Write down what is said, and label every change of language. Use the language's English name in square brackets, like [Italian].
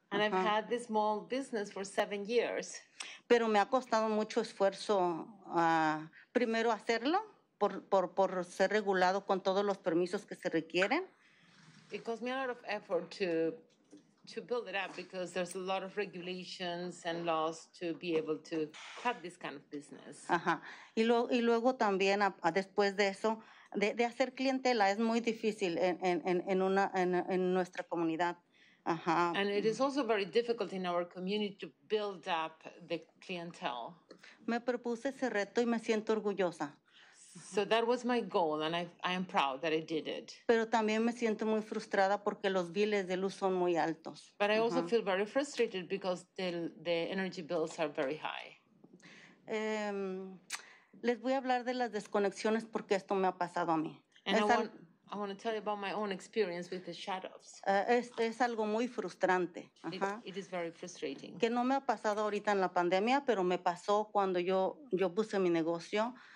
[English] And I've had this small business for 7 years. [Spanish] Pero me ha costado mucho esfuerzo primero hacerlo por ser regulado con todos los permisos que se requieren. [English] It cost me a lot of effort to build it up because there's a lot of regulations and laws to be able to have this kind of business. Ajá. [Spanish] Y luego también después de eso, de hacer clientela es muy difícil en nuestra comunidad. Ajá. [English] And it is also very difficult in our community to build up the clientele. [Spanish] Me propuse ese reto y me siento orgullosa. [English] So that was my goal, and I am proud that I did it. [Spanish] Pero también me siento muy frustrada porque los biles de luz son muy altos. [English] But I also feel very frustrated because the energy bills are very high. [Spanish] Les voy a hablar de las desconexiones porque esto me ha pasado a mí. [English] And I want to tell you about my own experience with the shadows. [Spanish] Es algo muy frustrante. [English] It is very frustrating. [Spanish] Que no me ha pasado ahorita en la pandemia, pero me pasó cuando yo puse mi negocio.